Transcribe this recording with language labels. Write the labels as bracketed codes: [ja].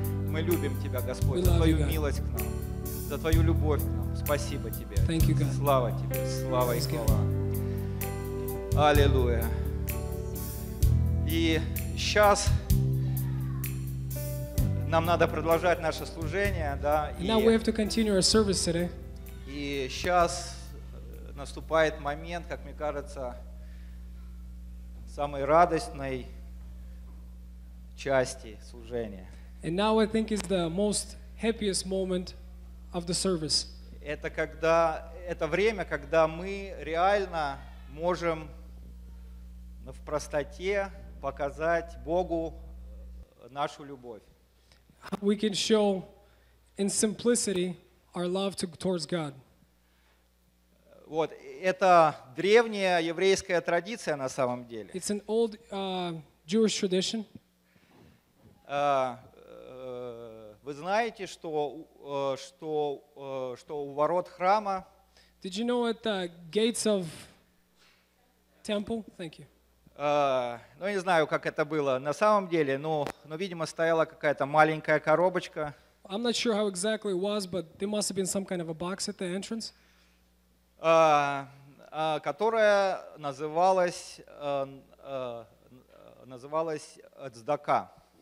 [ru] Мы любим Тебя, Господь, за Твою милость к нам, за Твою любовь к нам. Спасибо Тебе. [en] Thank you, God. [ru] Слава Тебе, слава и хвала. Аллилуйя. И сейчас нам надо продолжать наше служение, да? [en] Now we have to continue our service today. [ru] И сейчас наступает момент, как мне кажется, самой радостной части служения. [en] And now I think is the most happiest moment of the service. [ru] Это когда это время, когда мы реально можем в простоте показать Богу нашу любовь. [en] We can show in simplicity our love towards God. [ru] Вот, это древняя еврейская традиция на самом деле. [en] It's an old Jewish tradition. [ru] Вы знаете, что у ворот храма? [en] Did you know at the gates of temple? Thank you. [ru] Ну, не знаю, как это было на самом деле, но видимо, стояла какая-то маленькая коробочка. [en] I'm not sure how exactly it was, but there must have been some kind of a box at the entrance. [ru] Которая называлась Цдака.